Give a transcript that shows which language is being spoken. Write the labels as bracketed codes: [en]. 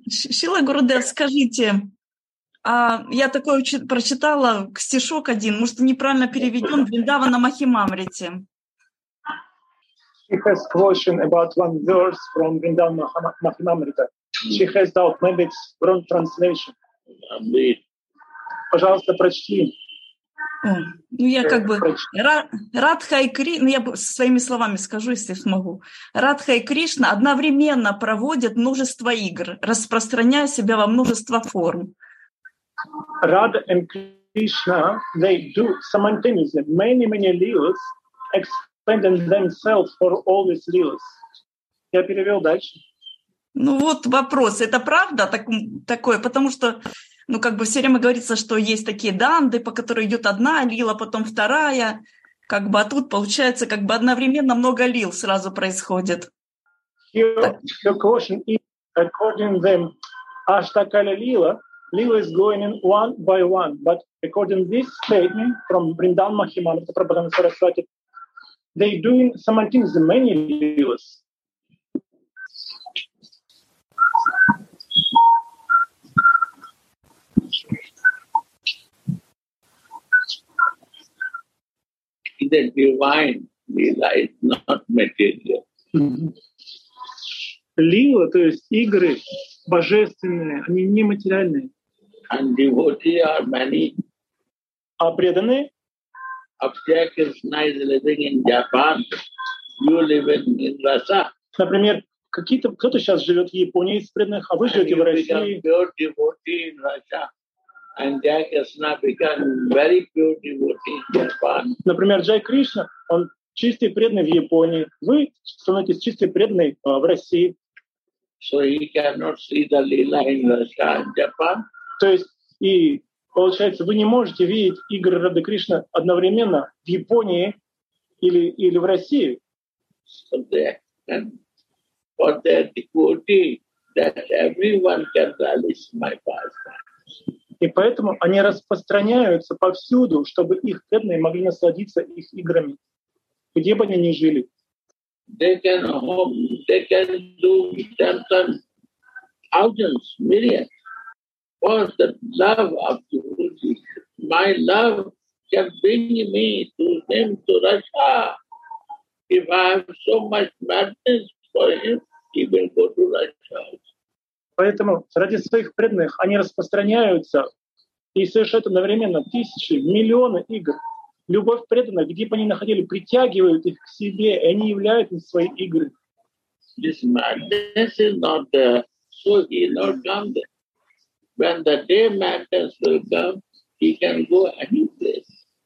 [ru] Шила Гурудев, скажите, я такое прочитала стишок один, может, неправильно переведен, Вриндавана Махимамрити. [en] She has question about one verse from Вриндавана Махимамрита. She has doubt, maybe it's wrong translation. [ru] Пожалуйста, прочти. Ну, я как бы Радха и Кришна, ну, я своими словами скажу, если смогу. Радха и Кришна одновременно проводят множество игр, распространяя себя во множество форм. [en] Radha and Krishna, they do simultaneously many, many leels, expanding themselves for all these leels. [ru] Я перевел дальше. Ну, вот вопрос. Это правда такое? Потому что... Ну, как бы все время говорится, что есть такие данды, по которой идет одна лила, потом вторая. Как бы, а тут получается, как бы одновременно много лил сразу происходит. [en] Your question is, according to them, Аштакаля лила, лила is going in one by one. But according to this statement from Vrindavana Mahimamrita, Prabhupada Saraswati, they doing simultaneously many lilas. The divine lila is not material. [ru] Лила, то есть игры божественные, они не материальные. [en] And devotees are many. [ru] А преданные? [en] Abhya Krishna is living in Japan. You live in Rasa. [ru] Например, какие-то кто-то сейчас живет в Японии из преданных, а вы живете в России. [en] Pure devotee in Rasa. And Jai Krishna became very pure devotee in Japan. [ru] Например, Джай Кришна, он чистый преданный в Японии. Вы становитесь чистый преданный в России. [en] So he cannot see the lila in Russia and Japan. [ru] То есть, и получается, вы не можете видеть игры Рады Кришны одновременно в Японии или в России. [en] So for the devotee, that everyone can relish my pastime. И поэтому они распространяются повсюду, чтобы их преданные могли насладиться их играми, где бы они ни жили. They can hope, they can do sometimes thousands, millions for the love of the Guruji. My love can bring me to him, to Russia. If I have so much madness for him, he will go to Russia. [ru] Поэтому ради своих преданных они распространяются и совершают одновременно тысячи, миллионы игр. Любовь преданных, где бы они находили, притягивают их к себе, и они являются свои игры. [en] This madness is not there, so he not come there. When the day madness will come, he can go any place.